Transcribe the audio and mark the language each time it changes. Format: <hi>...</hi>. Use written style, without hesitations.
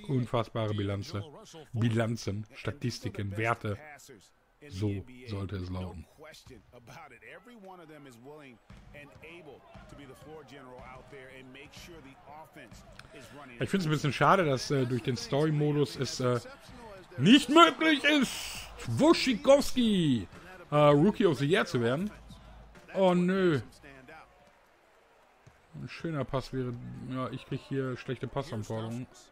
<de>Unfassbare Bilanze. Bilanzen, Statistiken, Werte. So sollte es lauten.</de> <en>question about it. Every one of them is willing and able to be the floor general out there and make sure the offense is running.</en> <de>Ich find's ein bisschen schade, dass durch den Story-Modus es nicht möglich ist, Wojcikowski Rookie of the Year zu werden. Oh nö. Ein schöner Pass wäre. Ja, ich krieg hier schlechte Passanforderungen.</de>